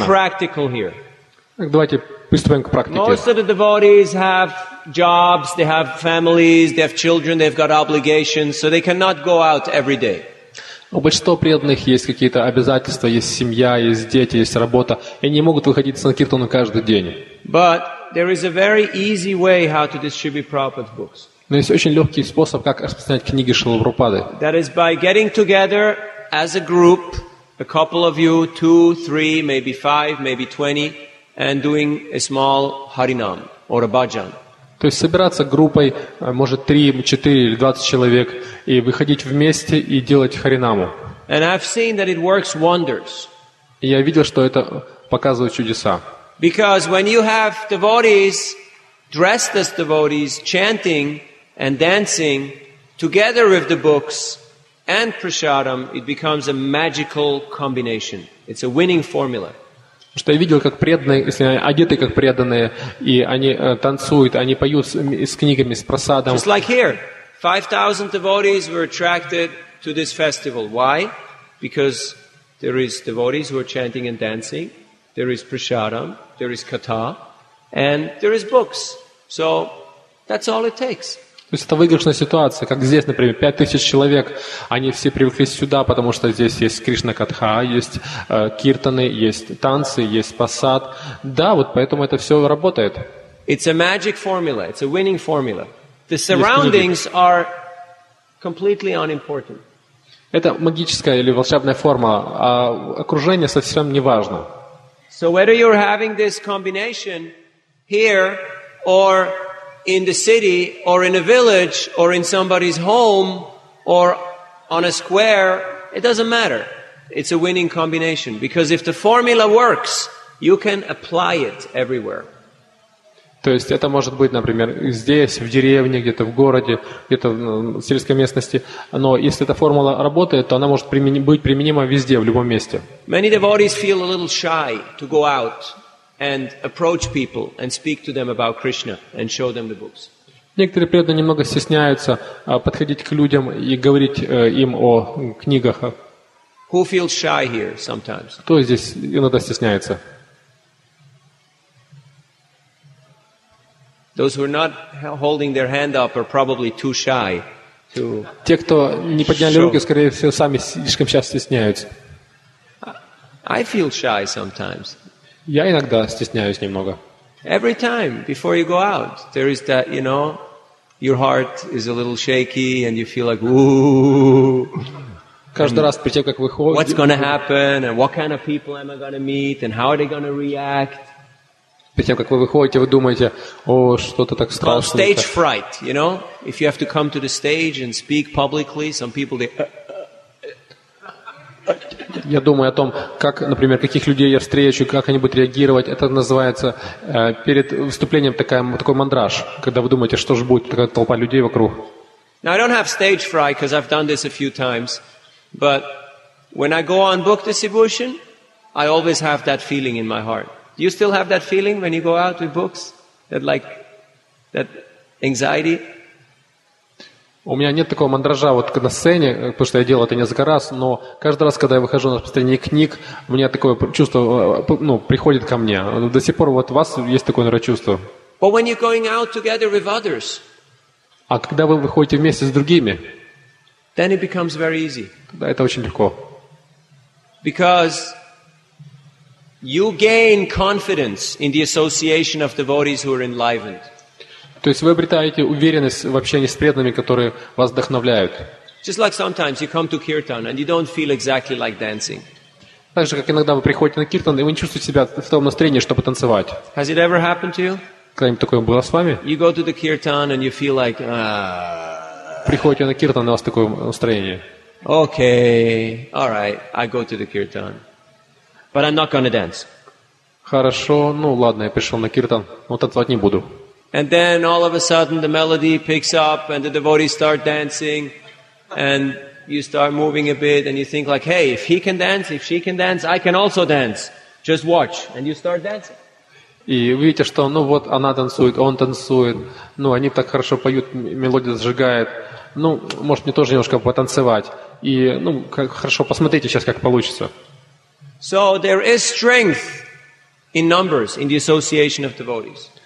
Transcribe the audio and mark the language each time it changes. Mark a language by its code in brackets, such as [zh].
[en] So let's get practical here. [ru] Так, давайте приступим к практике. [en] Most of the devotees have jobs, they have families, they have children, they've got obligations, so they cannot go out every day. [ru] У большинства преданных есть какие-то обязательства, есть семья, есть дети, есть работа, и они не могут выходить в санкиртану каждый день. [en] But there is a very easy way how to distribute Prabhupada's books. [ru] Но есть очень легкий способ, как распространять книги Шрилы Прабхупады. [en] That is by getting together as a group, a couple of you, 2, 3, maybe 5, maybe 20, and doing a small harinam or a bhajan. [ru] То есть собираться группой, может 3, 4 или 20 человек, и выходить вместе и делать харинаму. [en] And I've seen that it works wonders. [ru] Я видел, что это показывает чудеса. [en] Because when you have devotees dressed as devotees chanting and dancing together with the books and prasadam, it becomes a magical combination. It's a winning formula. [ru] Что я видел, как преданные, если они одеты как преданные, и они танцуют, они поют с книгами, с прасадом. [en] Just like here, 5,000 devotees were attracted to this festival. Why? Because there is devotees who are chanting and dancing, there is prasadam, there is katha, and there is books. So that's all it takes. [ru] То есть это выигрышная ситуация, как здесь, например, 5,000 человек, они все привыкли сюда, потому что здесь есть Кришна-катха, есть киртаны, есть танцы, есть пасад. Да, вот поэтому это все работает. [en] It's a magic formula, it's a winning formula. The surroundings are completely unimportant. [ru] Это магическая или волшебная формула, а окружение совсем не важно. [en] So whether you're having this combination here or in the city, or in a village, or in somebody's home, or on a square, it doesn't matter. It's a winning combination. Because if the formula works, you can apply it everywhere. [ru] То есть это может быть, например, здесь, в деревне, где-то в городе, где-то в сельской местности. Но если эта формула работает, то она может быть применима везде, в любом месте. [en] Many devotees feel a little shy to go out and approach people and speak to them about Krishna and show them the books. [ru] Некоторые преданные немного стесняются подходить к людям и говорить им о книгах. [en] Who feels shy here sometimes? [ru] Кто здесь иногда стесняется? [en] Those who are not holding their hand up are probably too shy to. [ru] Те, кто не подняли руки, скорее всего, сами слишком сейчас стесняются. [en] I feel shy sometimes. [ru] Я иногда стесняюсь немного. [en] Every time before you go out, there is that, you know, your heart is a little shaky and you feel like, ooh. [ru] Каждый раз перед тем, как выходишь. [en] What's going to happen and what kind of people am I going to meet and how are they going to react? [ru] Перед тем, как вы выходите, вы думаете, о, что-то так страшно. [en] It's called stage fright, you know? If you have to come to the stage and speak publicly, some people, they... [ru] Я думаю о том, как, например, каких людей я встречу, как они будут реагировать. Это называется перед выступлением такой мандраж, когда вы думаете, что же будет, такая толпа людей вокруг. [en] Now, I don't have stage fright, because I've done this a few times. But when I go on book distribution, I always have that feeling in my heart. Do you still have that feeling when you go out with books? That, like, that anxiety? [ru] У меня нет такого мандража вот на сцене, потому что я делал это несколько раз, но каждый раз, когда я выхожу на распространение книг, у меня такое чувство, ну, приходит ко мне. До сих пор вот у вас есть такое, наверное, чувство. [en] But when you're going out together with others, [ru] а когда вы выходите вместе с другими, [en] then it becomes very easy. [ru] Тогда это очень легко. [en] Because you gain confidence in the association of devotees who are enlivened. [ru] То есть вы обретаете уверенность в общении с преданными, которые вас вдохновляют. [en] Just like sometimes you come to kirtan and you don't feel exactly like dancing. [ru] Так же, как иногда вы приходите на киртан, и вы не чувствуете себя в том настроении, чтобы танцевать. [en] Has it ever happened to you? [ru] Когда-нибудь такое было с вами? [en] You go to the kirtan and you feel like, [ru] приходите на киртан, и у вас такое настроение. [en] Okay, all right, I go to the kirtan. But I'm not gonna dance. [ru] Хорошо, ну ладно, я пришел на киртан, но танцевать не буду. [en] And then all of a sudden the melody picks up and the devotees start dancing and you start moving a bit and you think like, hey, if he can dance, if she can dance, I can also dance. Just watch. And you start dancing. [ru] И видите, что, ну вот, она танцует, он танцует, ну, они так хорошо поют, мелодия зажигает. Ну, может, мне тоже немножко потанцевать. И, ну, как, хорошо, посмотрите сейчас, как получится. [en] So there is strength in numbers in the association of devotees.